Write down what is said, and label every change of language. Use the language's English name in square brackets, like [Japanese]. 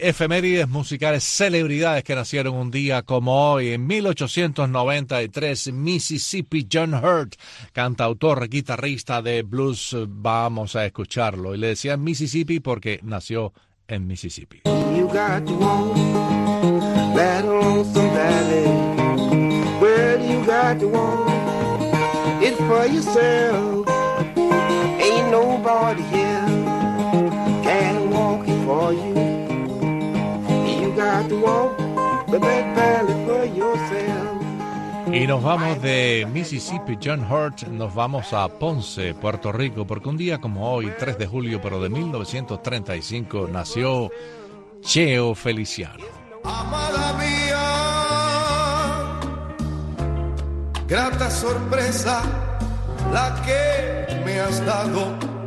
[Spanish] Efemérides musicales, celebridades que nacieron un día como hoy. En 1893, Mississippi John Hurt, cantautor, guitarrista de blues. Vamos a escucharlo. Y le decían Mississippi porque nació en Mississippi. [English] You got your own. That lonesome valley, well, you got to want it for yourself. Ain't nobody here can walk it for you. You got to walk the back valley for yourself. [Spanish] Y nos vamos de Mississippi, John Hurt, nos vamos a Ponce, Puerto Rico, porque un día como hoy, 3 de julio, pero de 1935, nació Cheo Feliciano. Amada mía, grata sorpresa la que me has dado.